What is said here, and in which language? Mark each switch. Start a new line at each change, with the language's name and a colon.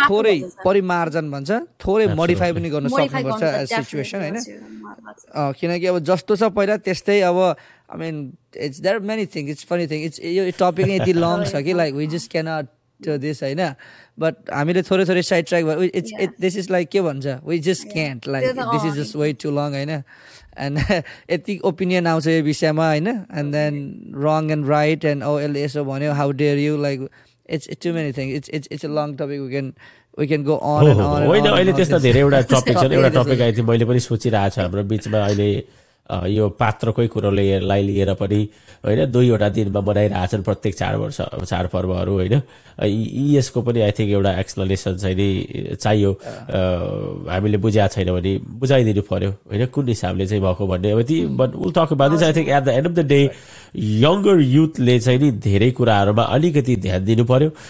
Nepali: थोरै परिमार्जन भन्छ थोरै मोडिफाई पनि गर्न सक्नुपर्छ सिचुएसन होइन. किनकि अब जस्तो छ पहिला त्यस्तै अब
English: I mean it's there many thing it's funny thing it's यो topic यति long छ कि like we just cannot to this I know but
Nepali: hamile thore thore
English: side track but it's yeah. It, this is like ke bhancha we just can't like yeah, this is just way too long I know and ethic opinion
Nepali: aauncha yo bishaya ma
English: I know and then wrong and right and oh LSO bhanyo how dare you like it's too many things it's a long topic we can go on and on.
Nepali: Oi aile testa dherai euta topic chha euta topic aai thi maile pani sochira chha hamro bich ma aile यो पात्रकै कुरोलाई लिएर पनि होइन दुईवटा दिनमा मनाइरहेको छन् प्रत्येक चाडपर्वहरू होइन. यसको पनि आई थिङ्क एउटा एक्सप्लेनेसन चाहिँ नि चाहियो. हामीले बुझाएको छैन भने बुझाइदिनु पर्यो होइन कुन हिसाबले चाहिँ भएको भन्ने. अब ती
English: but we'll talk about this I think at the end of the day
Nepali: younger युथले चाहिँ नि धेरै कुराहरूमा अलिकति ध्यान दिनु पर्यो.